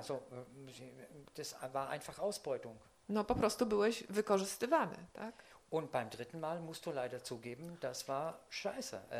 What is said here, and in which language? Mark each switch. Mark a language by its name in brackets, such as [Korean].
[German] Also, das war einfach Ausbeutung. [Polish] No, po prostu byłeś wykorzystywany, tak? [German] Und beim dritten Mal musst du leider zugeben, das war scheiße.